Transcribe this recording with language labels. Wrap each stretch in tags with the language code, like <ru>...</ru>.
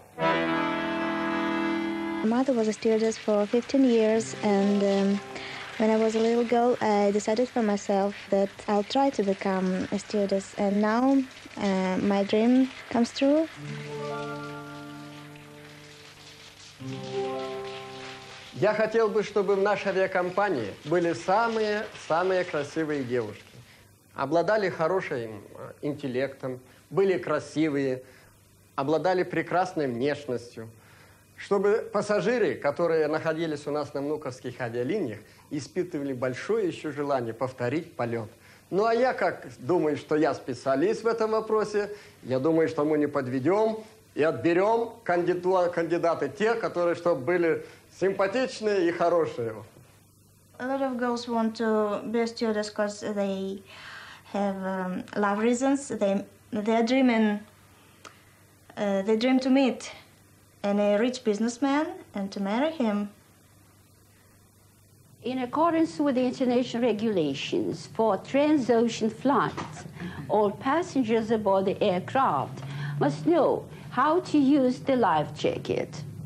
<en>I was a stewardess for 15 years, and when I was a little girl, I decided for myself that I'll try to become a stewardess, and now my dream comes true. Mm.</en> <ru>Я хотел бы, чтобы в нашей авиакомпании были самые-самые красивые девушки. Обладали хорошим интеллектом, были красивые, обладали прекрасной внешностью. Чтобы пассажиры, которые находились у нас на внуковских авиалиниях, испытывали большое еще желание повторить полет. Ну, а я как думаю, что я специалист в этом вопросе, я думаю, что мы не подведем и отберем кандидаты те, которые, чтобы были симпатичные и хорошие.</ru> <en>A lot of girls want to be a stewardess because they have love reasons. They dream to meet any rich businessman and to marry him. In accordance with the international regulations for transocean flights, all passengers aboard the aircraft must know how to use the life jacket.</en>